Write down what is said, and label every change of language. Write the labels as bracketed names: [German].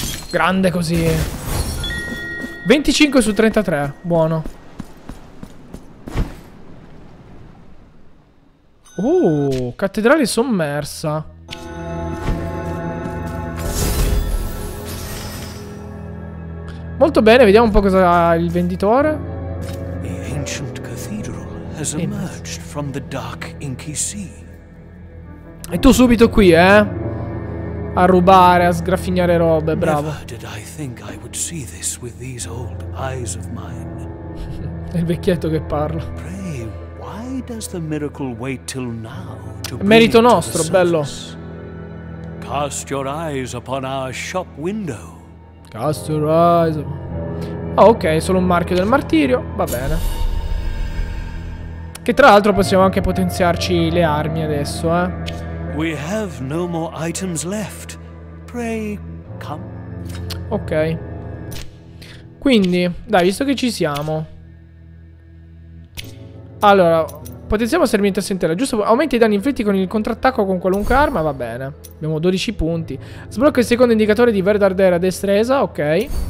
[Italian] Grande così. 25 su 33, buono. Cattedrale sommersa. Molto bene, vediamo un po' cosa ha il venditore. [English] The ancient cathedral has emerged from the dark inky sea. [Italian] E tu subito qui, a rubare, a sgraffignare robe, bravo. [English] Never did I think I would see this with these old eyes of mine. [Italian] È il vecchietto che parla. [English] Pray, why does the miracle wait till now to [Italian] be? Merito nostro, bello. [English] Cast your eyes upon our shop window. Cast your eyes. [Italian] Oh, ok, solo un marchio del martirio, va bene. Che tra l'altro possiamo anche potenziarci le armi adesso, [English] We have no more items left. Pray, come. Ok. [Italian] Quindi, dai, visto che ci siamo. Allora, potenziamo servimento sentinella. Giusto, aumenta i danni inflitti con il contrattacco con qualunque arma, va bene. Abbiamo 12 punti. Sblocca il secondo indicatore di verde ardere a destresa, ok.